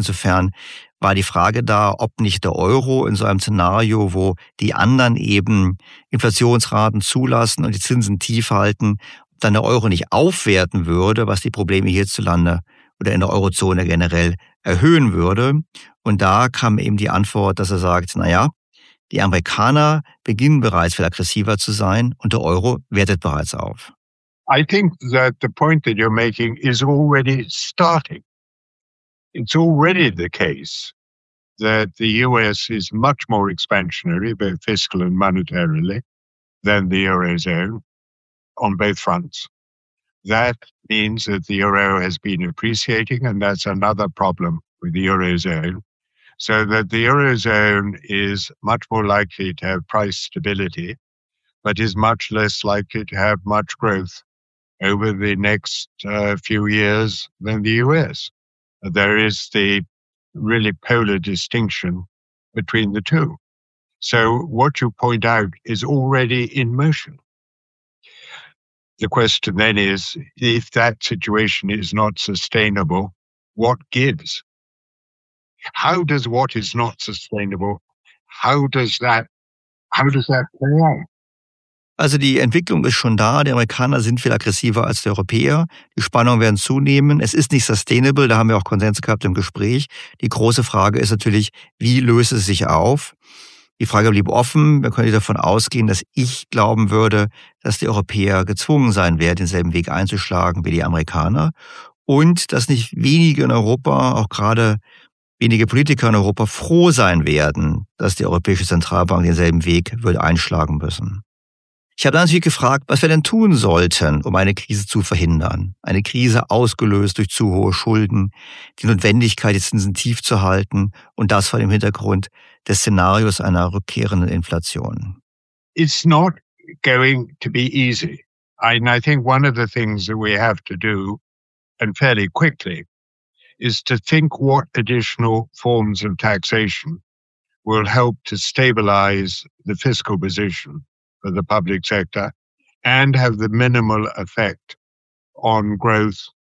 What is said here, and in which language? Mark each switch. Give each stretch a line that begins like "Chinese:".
German: Insofern war die Frage da, ob nicht der Euro in so einem Szenario, wo die anderen eben Inflationsraten zulassen und die Zinsen tief halten, ob dann der Euro nicht aufwerten würde, was die Probleme hierzulande oder in der Eurozone generell erhöhen würde. Und da kam eben die Antwort, dass er sagt, naja, die Amerikaner beginnen bereits viel aggressiver zu sein und der Euro wertet bereits auf.
English: I think that the point that you're making is already starting. It's already the case that the US is much more expansionary, both fiscal and monetarily, than the Eurozone on both fronts. That means that the euro has been appreciating, and that's another problem with the eurozone. So that the eurozone is much more likely to have price stability, but is much less likely to have much growth over the next few years than the US. There is the really polar distinction between the two. So what you point out is already in motion. The question then is, if that situation is not sustainable, what gives? How does what is not sustainable, how does that play out?
German: Also die Entwicklung ist schon da. Die Amerikaner sind viel aggressiver als die Europäer. Die Spannungen werden zunehmen. Es ist nicht sustainable. Da haben wir auch Konsens gehabt im Gespräch. Die große Frage ist natürlich, wie löst es sich auf? Die Frage blieb offen. Wir können davon ausgehen, dass ich glauben würde, dass die Europäer gezwungen sein werden, denselben Weg einzuschlagen wie die Amerikaner. Und dass nicht wenige in Europa, auch gerade wenige Politiker in Europa, froh sein werden, dass die Europäische Zentralbank denselben Weg wird einschlagen müssen. Ich habe dann natürlich gefragt, was wir denn tun sollten, um eine Krise zu verhindern. Eine Krise ausgelöst durch zu hohe Schulden, die Notwendigkeit, die Zinsen tief zu halten und das vor dem Hintergrund des Szenarios einer rückkehrenden Inflation.
English: It's not going to be easy. And I think one of the things that we have to do, and fairly quickly, is to think what additional forms of taxation will help to stabilize the fiscal position for the public sector and have the minimal effect on growth,